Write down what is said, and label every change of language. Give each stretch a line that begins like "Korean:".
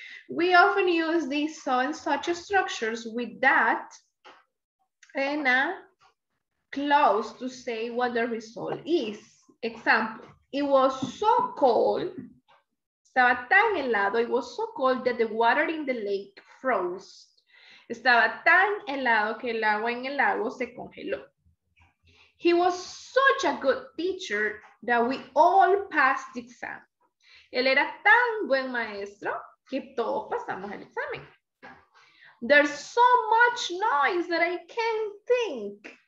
English: We often use these so and such structures with that and a clause to say what the result is. Example, it was so cold,
Spanish: estaba tan helado,
English: it was so cold that the water in the lake froze.
Spanish: Estaba tan helado que el agua en el lago se congeló.
English: He was such a good teacher that we all passed the exam.
Spanish: Él era tan buen maestro que todos pasamos el examen.
English: There's so much noise that I can't think.